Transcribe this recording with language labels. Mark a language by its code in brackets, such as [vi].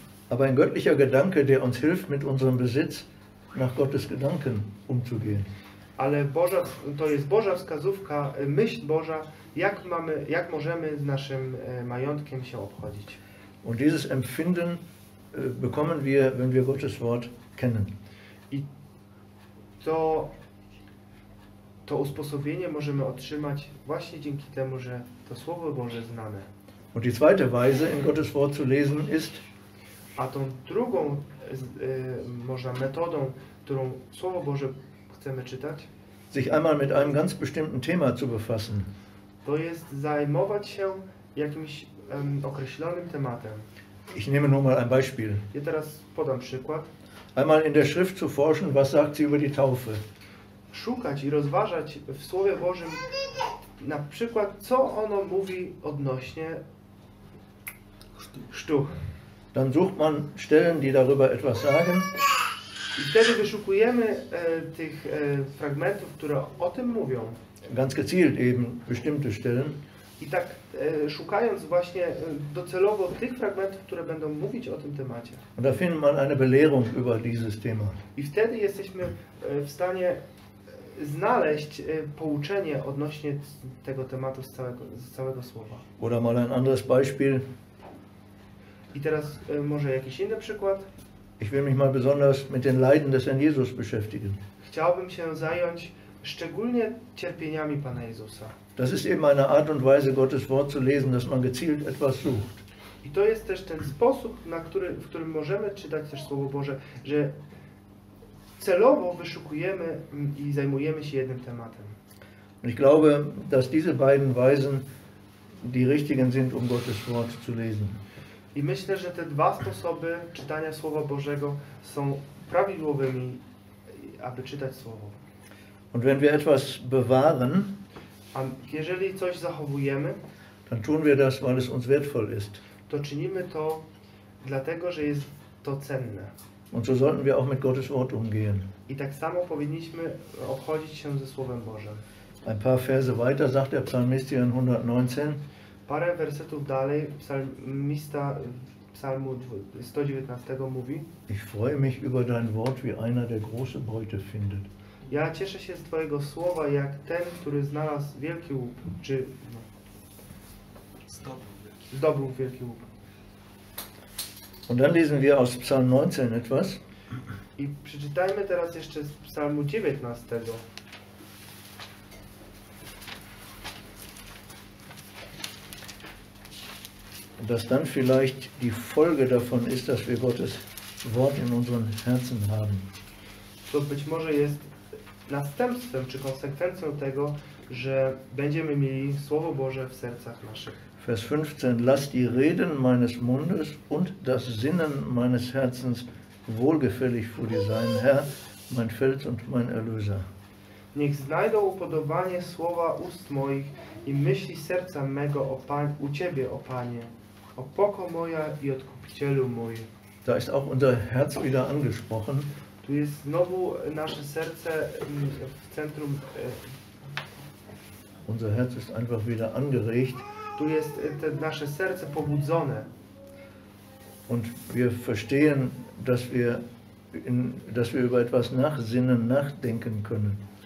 [de] Aber ein göttlicher Gedanke, der uns hilft mit unserem Besitz nach Gottes Gedanken umzugehen. [pl] Ale Boża, to jest Boża wskazówka, myśl Boża, jak możemy z naszym majątkiem się obchodzić. [de] Und dieses Empfinden bekommen wir, wenn wir Gottes Wort kennen. [pl] I to usposobienie możemy otrzymać właśnie dzięki temu, że to Słowo Boże znamy. [de] Und die zweite Weise, in Gottes Wort zu lesen, ist, [pl] a tą drugą można metodą, którą Słowo Boże chcemy czytać, [de] sich einmal mit einem ganz bestimmten Thema zu befassen. [pl] To jest zajmować się jakimś określonym tematem. [de] Ich nehme nur mal ein Beispiel. [pl] Ja teraz podam przykład. [de] Einmal in der Schrift zu forschen, was sagt sie über die Taufe. [pl] Szukać i rozważać w Słowie Bożym na przykład, co ono mówi odnośnie chrztu. [de] Dann sucht man Stellen, die darüber etwas sagen. [pl] I wtedy wyszukujemy tych fragmentów, które o tym mówią. [de] Ganz gezielt eben bestimmte Stellen. [pl] I tak szukając właśnie docelowo tych fragmentów, które będą mówić o tym temacie. [de] Und da findet man eine Belehrung über dieses Thema. [pl] I wtedy jesteśmy w stanie znaleźć pouczenie odnośnie tego tematu z całego słowa. [de] Oder mal ein anderes Beispiel. [pl] I teraz może jakiś inny przykład. [de] Ich will mich mal besonders mit den Leiden des Herrn Jesus beschäftigen. [pl] Chciałbym się zająć szczególnie cierpieniami Pana Jezusa. [de] Das ist eben eine Art und Weise, Gottes Wort zu lesen, dass man gezielt etwas sucht. [pl] I to jest też ten sposób, w którym możemy czytać też Słowo Boże, że celowo wyszukujemy i zajmujemy się jednym tematem. [de] Und ich glaube, dass diese beiden Weisen die richtigen sind, um Gottes Wort zu lesen. [pl] I myślę, że te dwa sposoby czytania Słowa Bożego są prawidłowymi, aby czytać Słowo. [de] Und wenn wir etwas bewahren, [pl] a jeżeli coś zachowujemy, [de] dann tun wir das, weil es uns wertvoll ist. [pl] To czynimy to, dlatego że jest to cenne. [de] Und so sollten wir auch mit Gottes Wort umgehen. [pl] I tak samo powinniśmy obchodzić się ze Słowem Bożym. [de] Ein paar Verse weiter sagt der Psalmist hier in 119. [pl] Parę wersetów dalej psalmista Psalmu 119 mówi: [de] Ich freue mich über dein Wort wie einer, der große Beute findet. [pl] Ja cieszę się z Twojego słowa jak ten, który znalazł wielki łup, czy no, zdobył wielki łup. [de] Und dann lesen wir aus Psalm 19 etwas. [pl] I przeczytajmy teraz jeszcze z Psalmu 19. [de] Und dass dann vielleicht die Folge davon ist, dass wir Gottes Wort in unseren Herzen haben. [pl] To być może jest następstwem czy konsekwencją tego, że będziemy mieli Słowo Boże w sercach naszych. [de] Vers 15. Lass die Reden meines Mundes und das Sinnen meines Herzens wohlgefällig vor dir sein, Herr, mein Fels und mein Erlöser. [pl] Niech znajdą upodobanie słowa ust moich i myśli serca mego o Pan, u Ciebie, o Panie, opoko moja i odkupicielu mój. [de] Da ist auch unser Herz wieder angesprochen. [pl] Tu jest znowu nasze serce w centrum. [de] Unser Herz ist einfach wieder angeregt. [pl] Tu jest te nasze serce pobudzone. [de] Und wir verstehen, dass wir über etwas nachsinnen, nachdenken können.